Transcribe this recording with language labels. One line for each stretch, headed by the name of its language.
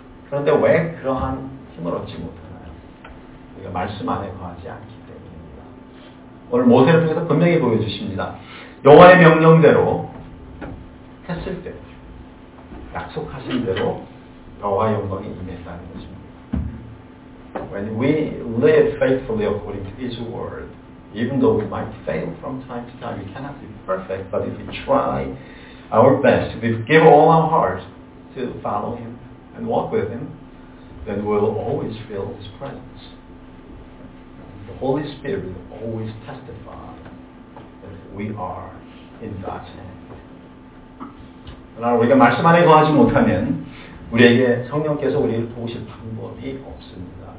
Korean: 그런데 왜 그러한 힘을 얻지 못하나요? 우리가 말씀 안에 거하지 않기 때문입니다. 오늘 모세를 통해서 분명히 보여주십니다. 여호와의 명령대로 했을 때 약속하신 대로 여호와의 영광이 임했다는 것입니다.
English: When we live faithfully according to His word, even though we might fail from time to time, we cannot be perfect, but if we try our best, if we give all our heart to follow Him and walk with Him, then we'll always feel His presence. The Holy Spirit will always testify that we are in God's hand.
Korean: 그러나 우리가 말씀 안에 거하지 못하면 우리에게 성령께서 우리를 도우실 방법이 없습니다.